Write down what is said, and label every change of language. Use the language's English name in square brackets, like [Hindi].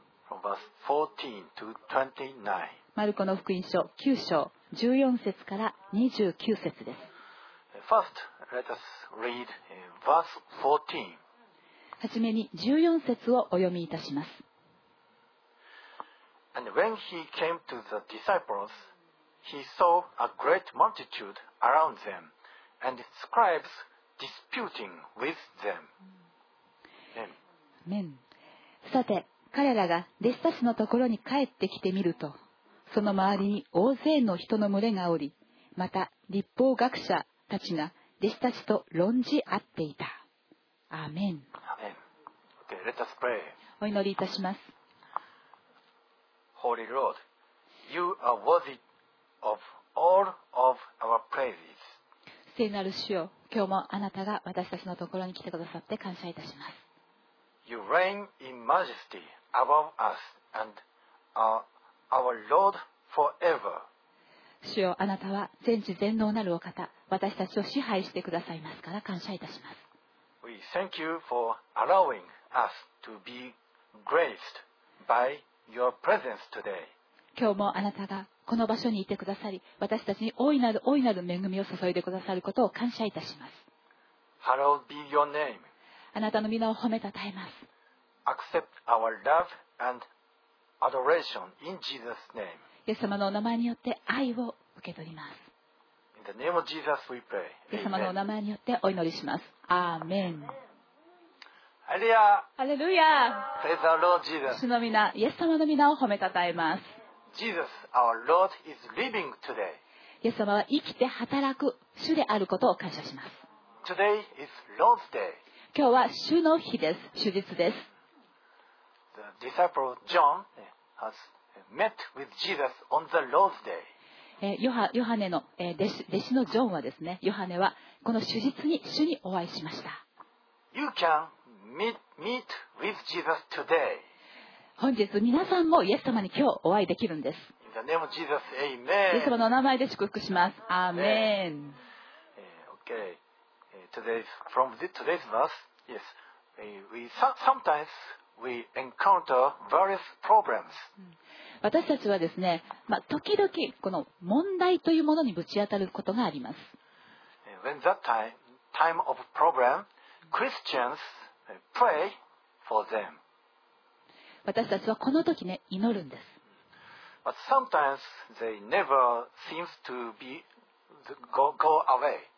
[English] From verse 14 to 29. [Japanese] マルコの福音書9章14節から29節です。 [English] First, let us read verse 14. [Japanese] はじめに14節をお読みいたします。 [English] And when he came to the disciples, he saw a great multitude around them, and scribes disputing with them. Amen. [Japanese] さて彼らが弟子たちのところに帰ってきてみると、その周りに大勢の人の群れがおり、また律法学者たちが弟子たちと論じ合っていた。アーメン。 [English] Okay, let us pray. [Japanese] お祈りいたします。 [English] Holy Lord, you are worthy of all of our praises. [Japanese] 聖なる主よ、今日もあなたが私たちのところに来てくださって感謝いたします。 [English] You reign in majesty above us and our Lord forever. [Japanese] 主よ、あなたは全知全能なるお方、私たちを支配してくださいますから感謝いたします。 [English] We thank you for allowing us to be graced by your presence today. [Japanese] 今日もあなたがこの場所にいてくださり、私たちに大いなる大いなる恵みを注いでくださることを感謝いたします。 [English] Hallowed be your name. [Japanese] あなたの名を褒めたたえます。 [English] Accept our love and adoration in Jesus' name. [Japanese] イエス様のお名前によって愛を受け取ります。 [English] In the name of Jesus, we pray. [Japanese] イエス様のお名前によってお祈りします。アーメン。ハレルヤ。ハレルヤ。 [English] Praise our Lord Jesus. [Japanese] 主の皆、イエス様の皆を褒めたたえます。 [English] Jesus, our Lord is living today. [Japanese] イエス様は生きて働く主であることを感謝します。 [English] Today is Lord's day. [Japanese] 今日は主の日です。主日です。 [English] Disciple John has met with Jesus on the Lord's day. [Japanese] ヨハネの弟子のジョンはですね、ヨハネはこの主日に主にお会いしました。 [English] You can meet with Jesus today. [Japanese] 本日皆さんもイエス様に今日お会いできるんです。 [English] In the name of Jesus, Amen. [Japanese] イエス様の名前で祝福します。アーメン。 [English] Okay. Today's verse. Yes. Sometimes. We encounter various problems. [Japanese] 私たちはですね、時々この問題というものにぶち当たることがあります。 [English] When that time of problem, Christians pray for them. [Japanese] 私たちはこの時ね、祈るんです。 [English] But sometimes they never seem to be go away.